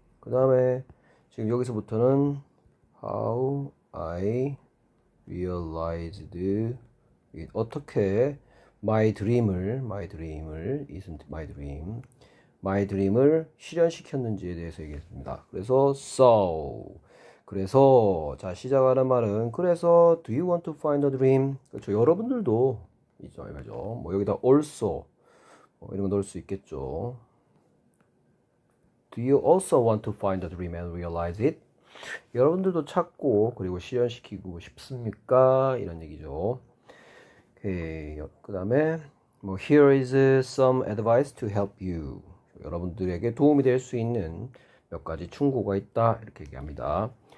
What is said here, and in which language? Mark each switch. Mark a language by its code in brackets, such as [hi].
[ko] 그 다음에 지금 여기서부터는 [en] How I realized it [ko] 어떻게 [en] my dream [ko] 을 [en] isn't my dream [ko] 을 실현시켰는지에 대해서 얘기했습니다. 그래서 so 그래서 자 시작하는 말은 그래서 [en] do you want to find a dream? [ko] 그렇죠. 여러분들도 있죠, 이거죠. 뭐 여기다 also 뭐 이런 거 넣을 수 있겠죠. [en] Do you also want to find a dream and realize it? [ko] 여러분들도 찾고 그리고 실현시키고 싶습니까? 이런 얘기죠. 예, 그 다음에 뭐 [en] here is some advice to help you. [ko] 여러분들에게 도움이 될수 있는 몇 가지 충고가 있다 이렇게 얘기합니다.